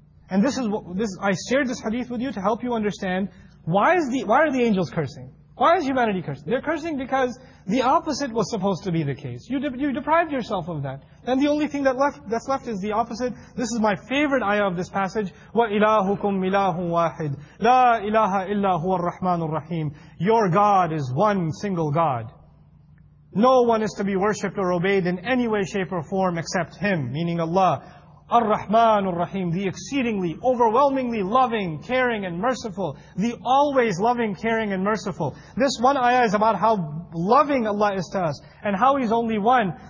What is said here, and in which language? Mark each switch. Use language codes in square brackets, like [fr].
[en] And this is what, this, I shared this hadith with you to help you understand why are the angels cursing? Why is humanity cursing? They're cursing because the opposite was supposed to be the case. You deprived yourself of that. And the only thing that's left is the opposite. This is my favorite ayah of this passage. [ar] وَإِلَٰهُكُمْ إِلَٰهُ وَاحِدٌ لَا إِلَٰهَ إِلَّا هُوَ الرَّحْمَنُ الرَّحِيمُ [en] Your God is one single God. No one is to be worshipped or obeyed in any way, shape or form except Him, meaning Allah. [ar] الرَّحْمَنُ الرَّحِيمُ [en] The exceedingly, overwhelmingly loving, caring and merciful. The always loving, caring and merciful. This one ayah is about how loving Allah is to us and how He's only one.